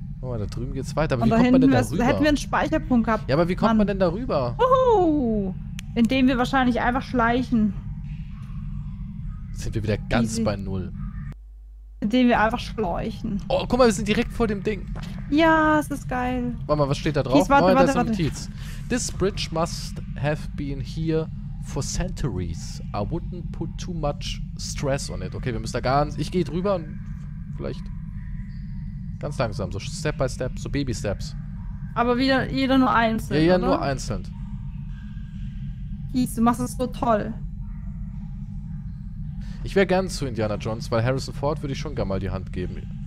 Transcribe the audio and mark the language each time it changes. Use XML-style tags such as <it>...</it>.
<de>Oh, da drüben geht's weiter. Aber und wie kommt man denn darüber? Da hätten wir einen Speicherpunkt gehabt. Ja, aber wie kommt man denn darüber? Indem wir wahrscheinlich einfach schleichen. Sind wir wieder ganz bei Null. Den wir einfach schleuchen. Oh, guck mal, wir sind direkt vor dem Ding. Ja, es ist geil. Warte mal, was steht da drauf? Warte.</de> <en>This bridge must have been here for centuries. I wouldn't put too much stress on it.</en> <de>Okay, wir müssen da ganz. Ich gehe drüber und vielleicht ganz langsam,</de> <en>so step by step, so baby steps.</en> <de>Aber wieder jeder nur einzeln. Ja, jeder nur einzeln. Kies, du machst es so toll. Ich wäre gern zu Indiana Jones, weil Harrison Ford würde ich schon gern mal die Hand geben.</de>